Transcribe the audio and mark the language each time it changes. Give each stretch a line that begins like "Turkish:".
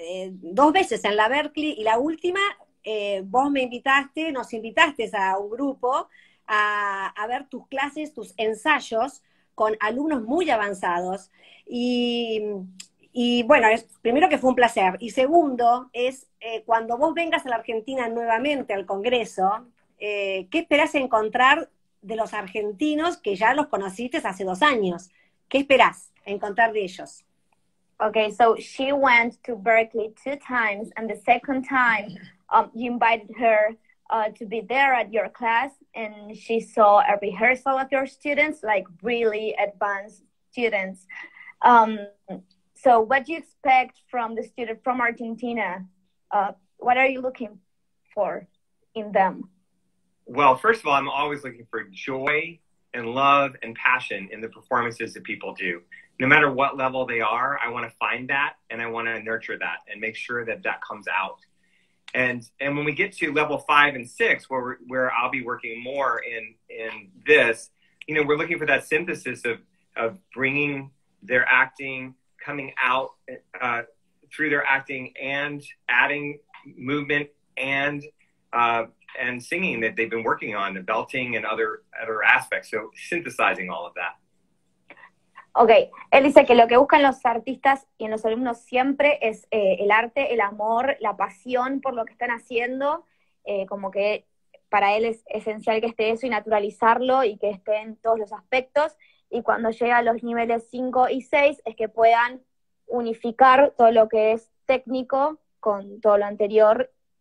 Spanish: dos veces en la Berklee, y la última vos nos invitaste a un grupo a ver tus clases, tus ensayos con alumnos muy avanzados, y bueno, es primero que fue un placer, y segundo es cuando vos vengas a la Argentina nuevamente al Congreso, ¿qué esperás encontrar de los argentinos que ya los conociste hace 2 años? ¿Qué esperás encontrar de ellos?
English: Okay, so she went to Berklee 2 times, and the second time you invited her to be there at your class, and she saw a rehearsal of your students, like really advanced students. So what do you expect from the student from Argentina? What are you looking for in them? Well, first of all, I'm always looking for joy and love and passion in the performances that people do. No matter what level they are, I want to find that and I want to nurture that and make sure that that comes out. And when we get to level 5 and 6, where I'll be working more in this, you know, we're looking for that synthesis of bringing their acting, coming out through their acting and adding movement and singing that they've been working on, the belting and other aspects. So synthesizing all of that.
Spanish: Ok, él dice que lo que buscan los artistas y en los alumnos siempre es el arte, el amor, la pasión por lo que están haciendo, como que para él es esencial que esté eso y naturalizarlo y que esté en todos los aspectos, y cuando llega a los niveles 5 y 6 es que puedan unificar todo lo que es técnico con todo lo anterior,